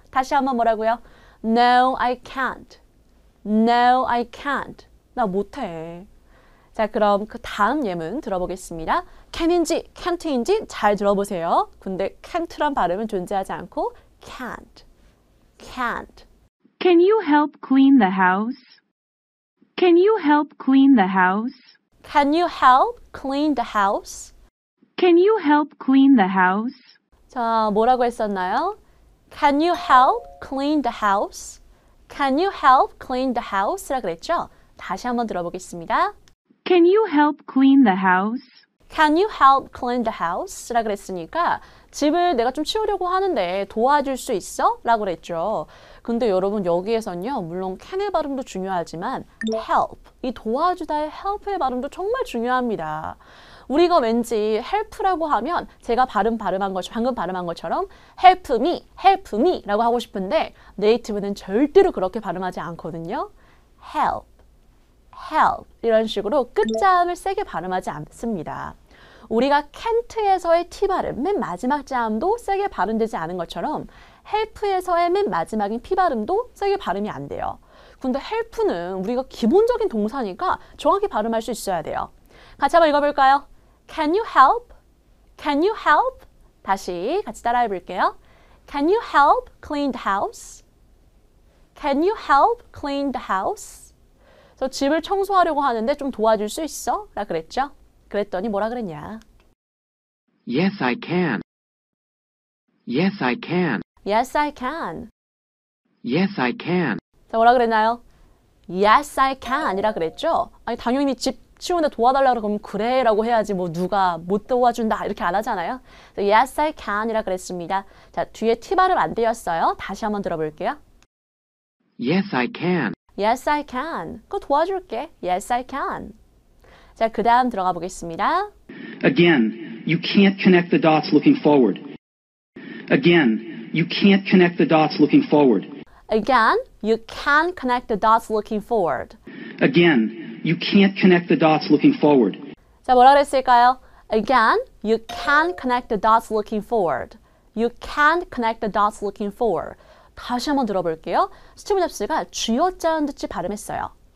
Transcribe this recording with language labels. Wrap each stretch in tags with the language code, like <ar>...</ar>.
<ko>다시 한번 뭐라고요?</ko> <en>No, I can't. No, I can't.</en> <ko>나 못해. 자, 그럼 그 다음 예문 들어보겠습니다. Can인지 can't인지 잘 들어보세요. 근데 can't란 발음은 존재하지 않고 can't.</ko> <en>Can you help clean the house? Can you help clean the house? Can you help clean the house? Can you help clean the house?</en> <ko>자, 뭐라고 했었나요?</ko> <en>Can you help clean the house? Can you help clean the house?</en> <ko>라고 그랬죠? 다시 한번 들어보겠습니다.</ko> <en>Can you help clean the house? Can you help clean the house?</en> <ko>라고 그랬으니까 집을 내가 좀 치우려고 하는데 도와줄 수 있어? 라고 그랬죠. 근데 여러분 여기에서는요, 물론 can의 발음도 중요하지만 help, 이 도와주다의 help의 발음도 정말 중요합니다. 우리가 왠지 help라고 하면 제가 방금 발음한 것처럼 help me 라고 하고 싶은데 네이티브는 절대로 그렇게 발음하지 않거든요.</ko> <en>help.</en> <ko>Help 이런 식으로 끝자음을 세게 발음하지 않습니다. 우리가 can't에서의 T 발음, 맨 마지막 자음도 세게 발음되지 않은 것처럼 help에서의 맨 마지막인 P 발음도 세게 발음이 안 돼요. 근데 help는 우리가 기본적인 동사니까 정확히 발음할 수 있어야 돼요. 같이 한번 읽어볼까요?</ko> <en>Can you help? Can you help?</en> <ko>다시 같이 따라해볼게요.</ko> <en>Can you help clean the house? Can you help clean the house?</en> <ko>저 집을 청소하려고 하는데 좀 도와줄 수 있어? 라 그랬죠? 그랬더니 뭐라 그랬냐?</ko> <en>Yes, I can. Yes, I can. Yes, I can. Yes, I can.</en> <ko>자, 뭐라 그랬나요?</ko> <en>Yes, I can.</en> <ko>이라 그랬죠? 아니, 당연히 집 치우는데 도와달라고 그러면 그래 라고 해야지 뭐 누가 못 도와준다 이렇게 안 하잖아요?</ko> <en>Yes, I can.</en> <ko>이라 그랬습니다. 자, 뒤에 T 발음 안 되었어요. 다시 한번 들어볼게요.</ko> <en>Yes, I can. Yes, I can.</en> <ko>그거 도와줄게.</ko> <en>Yes, I can.</en> <ko>자, 그 다음 들어가 보겠습니다.</ko> <en>Again, you can't connect the dots looking forward. Again, you can't connect the dots looking forward. Again, you can connect the dots looking forward. Again, you can't connect the dots looking forward.</en> <ko>자, 뭐라 그랬을까요?</ko> <en>Again, you can connect the dots looking forward. You can connect the dots looking forward.</en> <ko>다시 한번 들어볼게요. 스티브 잡스가 쥐어짜는 듯이 발음했어요.</ko>